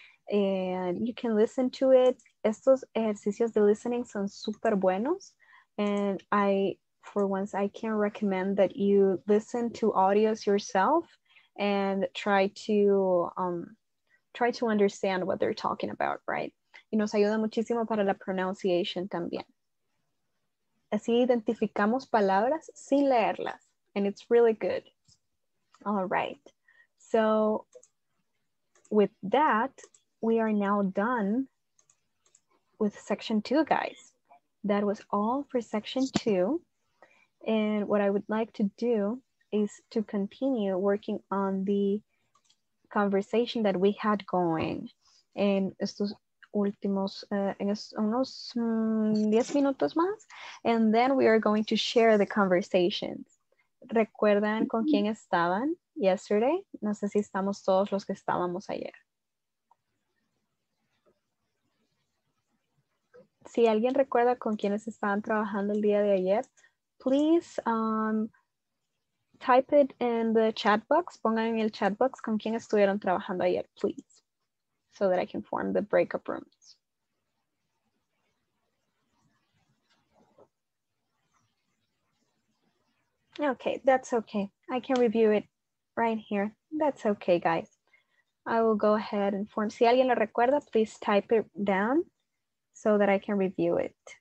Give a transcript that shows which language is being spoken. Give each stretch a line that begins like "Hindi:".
English: And you can listen to it.
Spanish: Estos ejercicios de listening son super buenos.
English: And I, for once, I can recommend that you listen to audios yourself and try to understand what they're talking about, right?
Spanish: Y nos ayuda muchísimo para la pronunciation también. Así identificamos palabras sin leerlas.
English: And it's really good. All right. So with that, we are now done with section 2, guys. That was all for section 2. And what I would like to do is to continue working on the conversation that we had going. And
Spanish: estos últimos, unos 10 minutos más,
English: and then we are going to share the conversations.
Spanish: ¿Recuerdan con quién estaban
English: yesterday?
Spanish: No sé si estamos todos los que estábamos ayer. Si alguien recuerda con quiénes estaban trabajando el día de ayer,
English: please type it in the chat box.
Spanish: Pongan en el chat box con quién estuvieron trabajando ayer,
English: please. So that I can form the breakup rooms. Okay, that's okay. I can review it right here. That's okay, guys. I will go ahead and form.
Spanish: Si alguien lo recuerda,
English: please type it down so that I can review it.